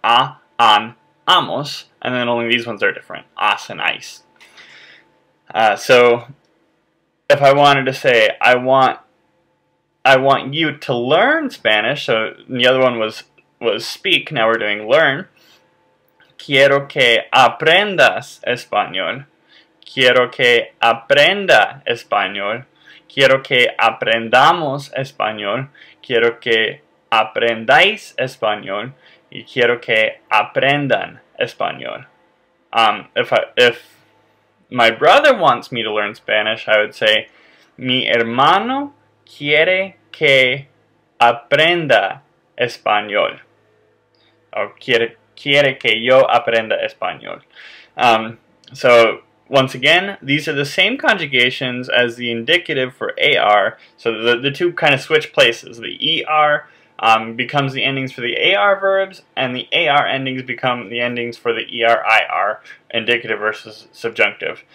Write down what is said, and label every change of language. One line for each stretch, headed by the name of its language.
English: A, an, amos, and then only these ones are different. As and ice. So if I wanted to say I want you to learn Spanish, so the other one was speak, now we're doing learn.
Spanish: Quiero que aprendas español. Quiero que aprenda español. Quiero que aprendamos español. Quiero que aprendáis español. Y quiero que aprendan español.
English: If my brother wants me to learn Spanish, I would say,
Spanish: mi hermano quiere que aprenda español. O quiere que yo aprenda español.
English: So once again, these are the same conjugations as the indicative for AR. So the two kind of switch places. The ER becomes the endings for the AR verbs, and the AR endings become the endings for the ER, IR, indicative versus subjunctive.